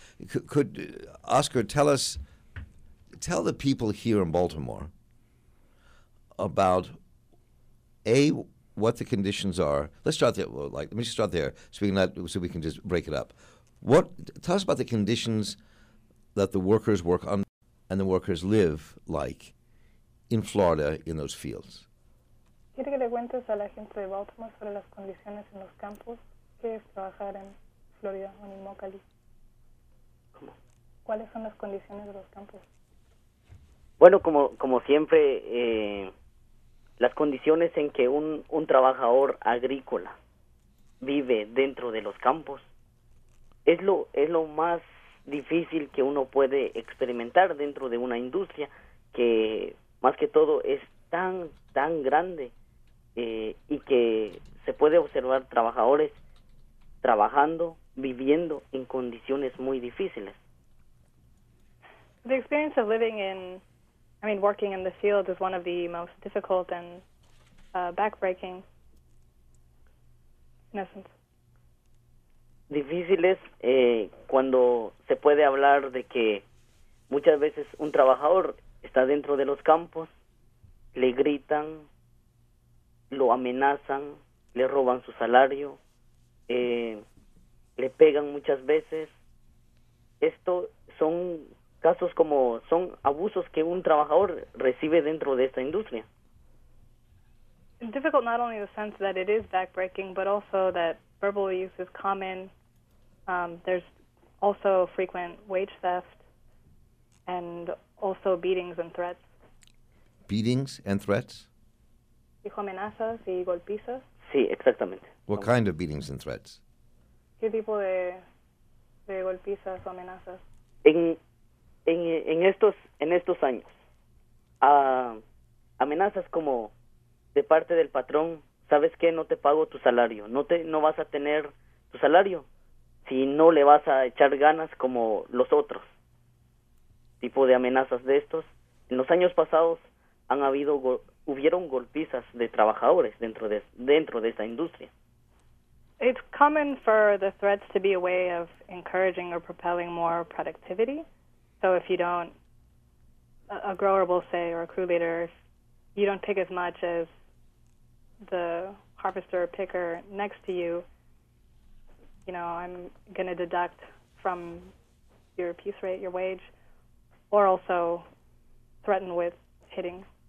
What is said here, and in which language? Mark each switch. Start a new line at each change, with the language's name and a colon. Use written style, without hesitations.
English: Could Oscar, tell the people here in Baltimore about, A, what the conditions are. Let's start there. Let me just start there so we can just break it up. Tell us about the conditions that the workers work on and the workers live like in Florida in those fields.
Spanish: ¿Quiere que le cuentes a la gente de Baltimore sobre las condiciones en los campos? ¿Qué es trabajar en Florida o en Immokalee? ¿Cuáles son las condiciones de los campos? Bueno, como siempre, las condiciones en que un trabajador agrícola vive dentro de los campos es lo más difícil que uno puede experimentar dentro de una industria que, más que todo, es tan, tan grande. Y que se puede observar trabajadores trabajando, viviendo en condiciones muy difíciles.
English: The experience of working in the field is one of the most difficult and backbreaking, in essence.
Spanish: Difícil es cuando se puede hablar de que muchas veces un trabajador está dentro de los campos, le gritan, lo amenazan, le roban su salario, le pegan muchas veces. Esto son casos como, son abusos que un trabajador recibe dentro de esta industria.
English: It's difficult not only in the sense that it is backbreaking, but also that verbal abuse is common. There's also frequent wage theft and also beatings and threats. Beatings and threats?
Spanish: Dijo amenazas y golpizas. Sí, exactamente.
English: What kind of beatings and threats?
Spanish: ¿Qué tipo de golpizas o amenazas? En estos años, amenazas como de parte del patrón, ¿sabes qué? No te pago tu salario. No vas a tener tu salario si no le vas a echar ganas como los otros. Tipo de amenazas de estos. En los años pasados hubieron golpizas de trabajadores dentro de esta industria.
English: It's common for the threats to be a way of encouraging or propelling more productivity. So if you don't, a grower will say, or a crew leader, if you don't pick as much as the harvester or picker next to you, you know, I'm going to deduct from your piece rate, your wage, or also threaten with hitting.